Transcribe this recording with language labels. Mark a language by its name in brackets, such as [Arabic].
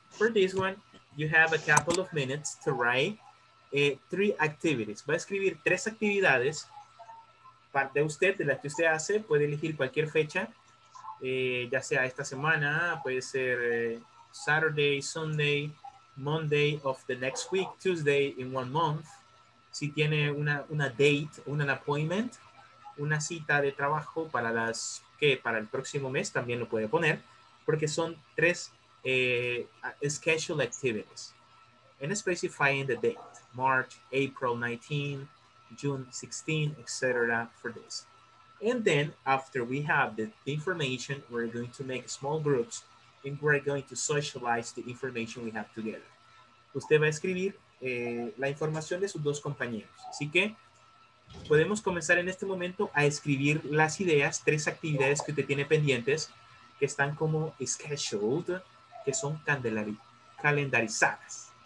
[English] For this one, you have a couple of minutes to write three activities. [Spanish] Va a escribir tres actividades de usted, de las que usted hace. Puede elegir cualquier fecha, ya sea esta semana, puede ser [English] Saturday, Sunday, Monday of the next week, Tuesday in one month. [Spanish] Si tiene una date, un appointment, una cita de trabajo para las que para el próximo mes, también lo puede poner, porque son tres scheduled activities. [English] And specifying the date, March, April 19, June 16, etc. for this. And then after we have the information, we're going to make small groups and we're going to socialize the information we have together. [Spanish] Usted va a escribir la información de sus dos compañeros. Así que podemos comenzar en este momento a escribir las ideas, tres actividades que usted tiene pendientes, que están como scheduled, que son calendarizadas.